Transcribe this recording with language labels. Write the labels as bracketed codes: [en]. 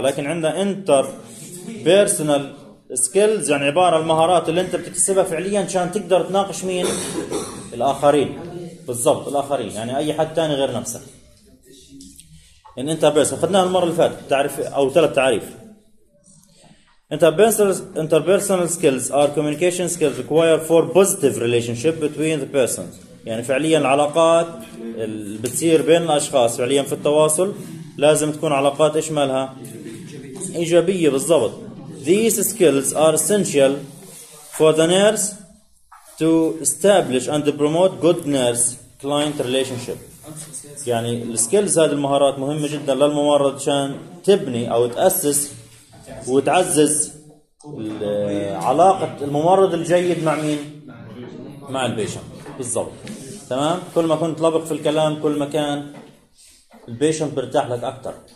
[ar] لكن عندنا انتر بيرسونال سكيلز، يعني عبارة المهارات اللي انت بتكتسبها فعليا عشان تقدر تناقش مين؟ الاخرين بالضبط، الاخرين يعني اي حد تاني غير نفسك. الانتر بيرسونال اخذناها المرة اللي فاتت، تعرف او ثلاث تعريف. [en] Interpersonal skills are communication skills required for positive relationship between the persons. [ar] يعني فعليا العلاقات اللي بتصير بين الأشخاص فعليا في التواصل لازم تكون علاقات إيش مالها؟ إيجابية بالضبط. [en] These skills are essential for the nurse to establish and to promote good nurse-client relationship. [ar] يعني السكيلز هذه المهارات مهمة جدا للممرض عشان تبني أو تأسس وتعزز علاقة الممرض الجيد مع مين؟ مع البيشنت بالضبط. تمام؟ كل ما كنت لبق في الكلام كل ما كان البيشنت برتاح لك أكثر.